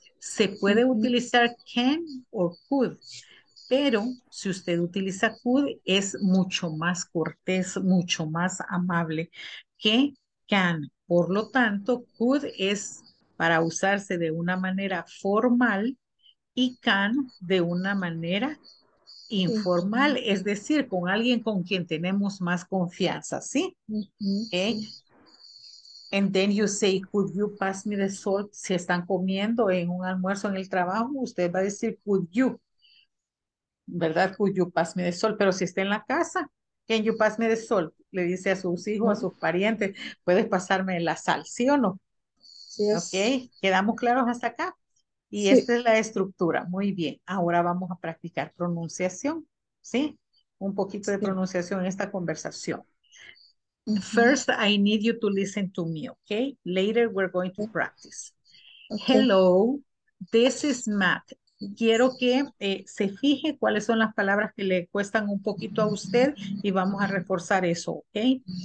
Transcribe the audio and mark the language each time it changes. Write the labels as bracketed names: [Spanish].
[Spanish] Se puede utilizar can or could, pero si usted utiliza could es mucho más cortés, mucho más amable que can. Por lo tanto, could es para usarse de una manera formal y can de una manera informal. Uh-huh. Es decir, con alguien con quien tenemos más confianza, ¿sí? Uh-huh. [English] Okay. And then you say, could you pass me the salt? [Spanish] Si están comiendo en un almuerzo en el trabajo, usted va a decir, could you. ¿Verdad? [English] Could you pass me the salt? [Spanish] Pero si está en la casa, [English] can you pass me the salt? [Spanish] Le dice a sus hijos, a sus parientes, ¿puedes pasarme la sal? ¿Sí o no? Sí. Ok, ¿quedamos claros hasta acá? Y sí. Esta es la estructura. Muy bien, ahora vamos a practicar pronunciación, ¿sí? Un poquito de pronunciación en esta conversación. [English] First, I need you to listen to me, ok? Later, we're going to practice. Okay. Hello, this is Matt. [Spanish] Quiero que se fije cuáles son las palabras que le cuestan un poquito a usted y vamos a reforzar eso, ¿okay?